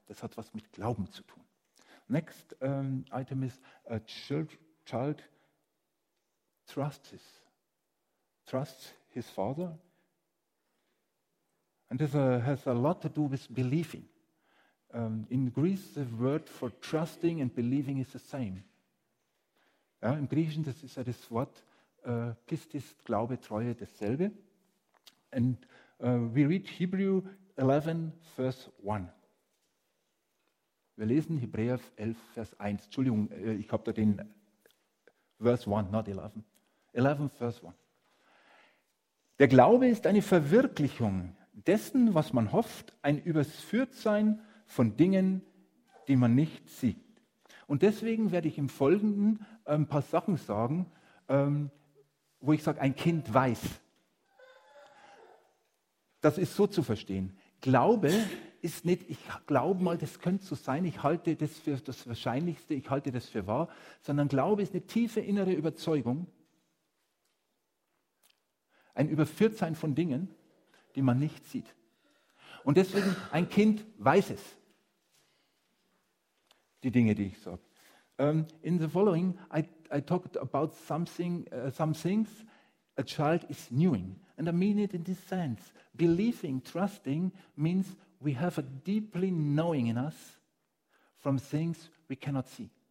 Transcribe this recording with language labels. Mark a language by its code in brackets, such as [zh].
[de] Das hat was mit Glauben zu tun. [en] Next item is a child trusts his father. And this has a lot to do with believing. In Greece, the word for trusting and believing is the same. [de] Ja, im Griechischen, das ist ja das Wort Pistis, Glaube, Treue, dasselbe. [en] And we read Hebrew 11, verse 1. [de] Wir lesen Hebräer 11, Vers 1. Entschuldigung, ich habe da den [en] verse 1, not 11. [de] 11, verse 1. Der Glaube ist eine Verwirklichung dessen, was man hofft, ein Überführtsein von Dingen, die man nicht sieht. Und deswegen werde ich im Folgenden ein paar Sachen sagen, wo ich sage, ein Kind weiß. Das ist so zu verstehen. Glaube ist nicht, ich glaube mal, das könnte so sein, ich halte das für das Wahrscheinlichste, ich halte das für wahr, sondern Glaube ist eine tiefe innere Überzeugung, ein Überführtsein von Dingen, die man nicht sieht. Und deswegen, ein Kind weiß es, die Dinge, die ich sage. [en] In the following, I talked about some things a child is knowing. And I mean it in this sense. Believing, trusting, means we have a deeply knowing in us from things we cannot see.